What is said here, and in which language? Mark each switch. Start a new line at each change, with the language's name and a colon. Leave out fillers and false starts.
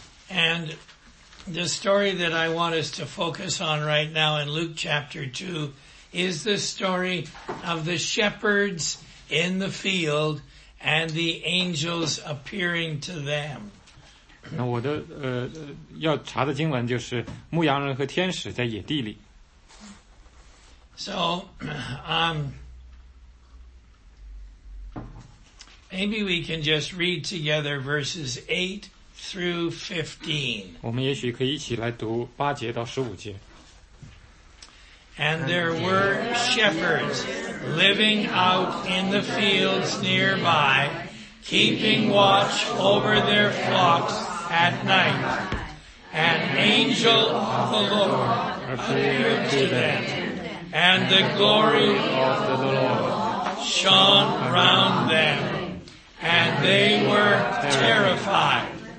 English: And the story that I want us to focus on right now in Luke chapter 2 is the story of the shepherds in the field and the angels appearing to them.
Chinese: 那我的要查的经文就是牧羊人和天使在野地里。
English: So, maybe we can just read together verses 8 through 15.
Chinese: 我们也许可以一起来读八节到十五节。
English: And there were shepherds living out in the fields nearby, keeping watch over their flocks. At night, an angel of the Lord appeared to them, and the glory of the Lord shone around them, and they were terrified.